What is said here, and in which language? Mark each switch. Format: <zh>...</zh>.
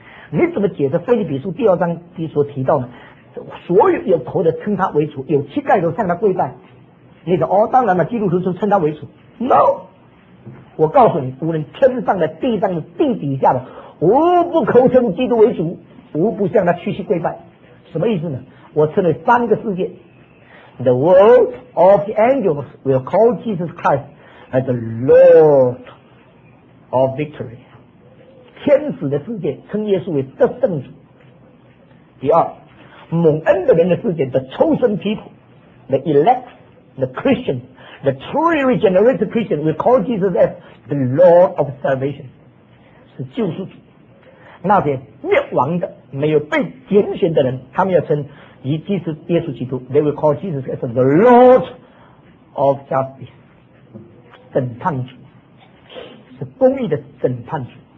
<zh>你怎么解释腓立比书第二章所提到呢，所有有头的称他为主，有膝盖都向他跪拜，你说哦，当然了，基督徒就称他为主。 No， 我告诉你，无论天上的地上的地底下的，无不口称基督为主，无不向他屈膝跪拜。什么意思呢？我称为三个世界，</zh> <en>the world of the angels will call Jesus Christ as the Lord of victory.</en> <zh>天使的世界称耶稣为得胜主。第二，蒙恩的人的世界</zh> <en>the chosen people, the elect, the Christian, the truly regenerated Christian will call Jesus as the Lord of salvation,</en> <zh>是救赎主。那些灭亡的没有被拣选的人，他们要称以基督耶稣基督</zh> <en>they will call Jesus as the Lord of justice,</en> <zh>审判主，是公义的审判主。</zh>